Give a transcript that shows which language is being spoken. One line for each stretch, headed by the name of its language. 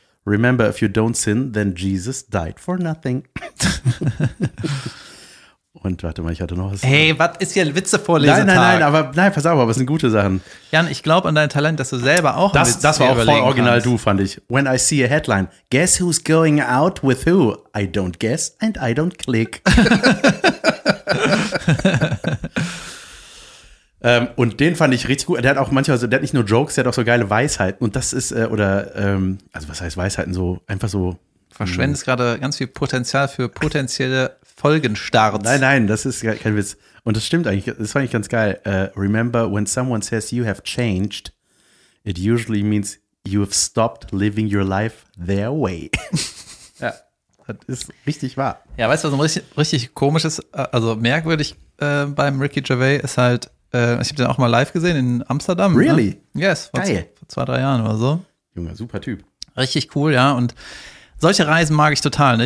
English: Remember, if you don't sin, then Jesus died for nothing.
German: Und warte mal, ich hatte noch was. Hey, was ist hier ein Witzevorlesetag? Nein, pass auf, aber es sind gute Sachen. Jan, ich glaube an dein Talent, dass du selber auch das, einen Witz das war auch voll original kannst. Du, fand ich.
English: When I see a headline, guess who's going out with who? I don't guess and I don't click.
German: und den fand ich richtig gut. Der hat auch manchmal so, der hat nicht nur Jokes, der hat auch so geile Weisheiten. Und das ist, also was heißt Weisheiten? So einfach so. Verschwendest gerade ganz viel Potenzial für potenzielle Folgenstarts. Nein, das ist kein Witz. Und das stimmt eigentlich, das fand ich ganz geil.
English: Remember, when someone says you have changed, it usually means you have stopped living your life their way.
German: Ja, das ist richtig wahr. Ja, weißt du, was ein richtig komisches, also merkwürdig beim Ricky Gervais ist halt, ich habe den auch mal live gesehen in Amsterdam.
English: Really?
German: Ne? Yes, vor 2-3 Jahren oder so. Junge, super Typ. Richtig cool, ja. Und solche Reisen mag ich total. Ne?